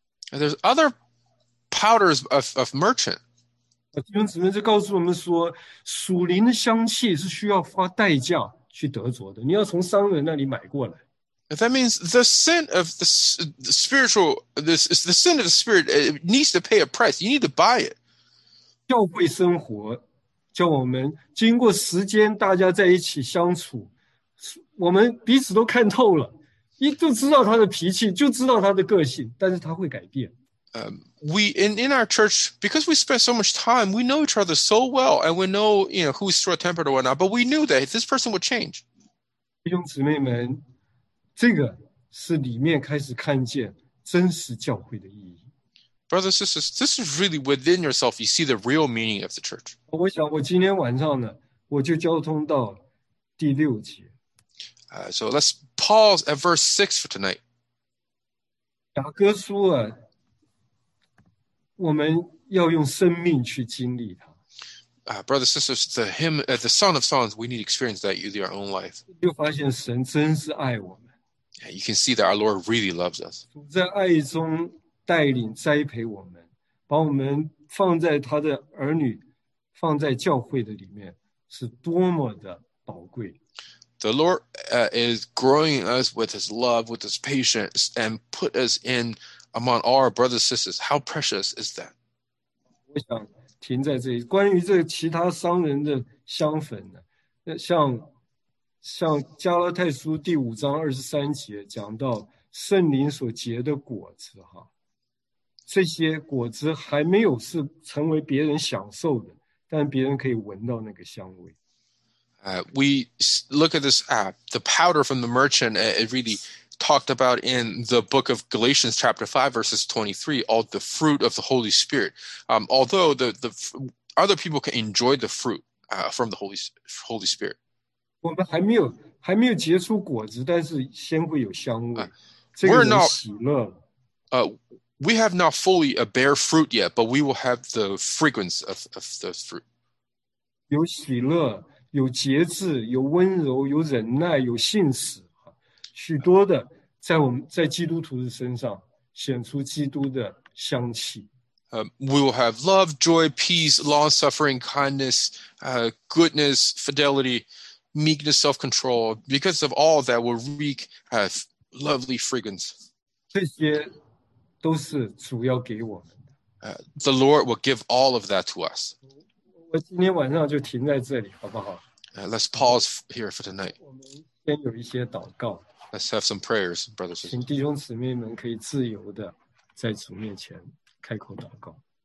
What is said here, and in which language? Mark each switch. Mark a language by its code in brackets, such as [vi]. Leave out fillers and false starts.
[en] And there's other powders of merchant. [zh] 弟兄姊妹就告诉我们说, 属灵的香气是需要花代价去得着的, 你要从商人那里买过来。 [en] That means the scent of the spiritual, the scent of the spirit, it needs to pay a price. You need to buy it. [zh] 教会生活, 叫我们经过时间大家在一起相处，我们彼此都看透了，就知道他的脾气，就知道他的个性，但是他会改变。 [en] We in our church, because we spent so much time, we know each other so well, and we know, you know, who's short-tempered or whatnot, but we knew that this person would change. [zh] 弟兄姊妹们，这个是里面开始看见真实教会的意义。 [en] Brothers and sisters, this is really within yourself. You see the real meaning of the church. [zh] 我想我今天晚上呢，我就交通到第六节。 [en] So let's pause at verse 6 for tonight. [zh] 雅各书啊，我们要用生命去经历它。 [en] Brothers and sisters, the hymn, the Song of Songs, we need to experience that in our own life. [zh] 就发现神真是爱我们。 [en] Yeah, you can see that our Lord really loves us. [zh] 在爱中带领栽培我们，把我们放在他的儿女，放在教会的里面，是多么的宝贵。 [en] The Lord is growing us with his love, with his patience, and put us in among all our brothers and sisters. How precious is that? [zh] 我想停在这里。关于这其他商人的香粉呢，像加拉太书第五章二十三节讲到圣灵所结的果子哈，这些果子还没有是成为别人享受的，但别人可以闻到那个香味。 [en] We look at this app, the powder from the merchant, it really talked about in the book of Galatians chapter 5 verses 23, all the fruit of the Holy Spirit. Although the other people can enjoy the fruit from the Holy Spirit. [zh] 我们还没有结出果子，但是先会有香味。这个人喜乐了。 [en] We have not fully a bear fruit yet, but we will have the fragrance of those fruit. [zh] 有喜乐，有节制，有温柔，有忍耐，有信实，许多的在基督徒的身上显出基督的香气。 [en] We will have love, joy, peace, long-suffering, kindness, goodness, fidelity, meekness, self-control. Because of all that, will reek lovely fragrance. [zh] 这些都是主要给我们的。 [en] The Lord will give all of that to us. [zh] 我今天晚上就停在这里，好不好？ [en] Let's pause here for tonight. [zh] 我们先有一些祷告。 [en] Let's have some prayers, brothers. [zh] 请弟兄姊妹们可以自由的在主面前开口祷告。